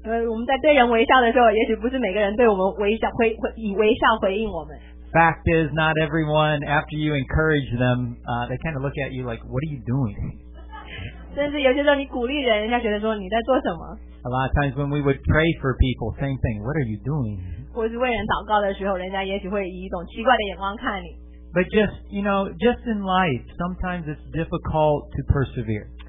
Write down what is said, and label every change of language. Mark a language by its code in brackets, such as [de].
[zh] 我们在对人微笑的时候，也许不是每个人对我们微笑会以微笑回应我们。 [en] Fact is, not everyone, after you encourage them, they kind of look at you like, what are you doing? [zh] 甚至有些时候你鼓励人，人家觉得说你在做什么。 [en] A lot of times when we would pray for people, same thing, what are you doing? [zh] 或是为人祷告的时候，人家也许会以一种奇怪的眼光看你。 [en] But just, you know, just in life, sometimes it's difficult to persevere.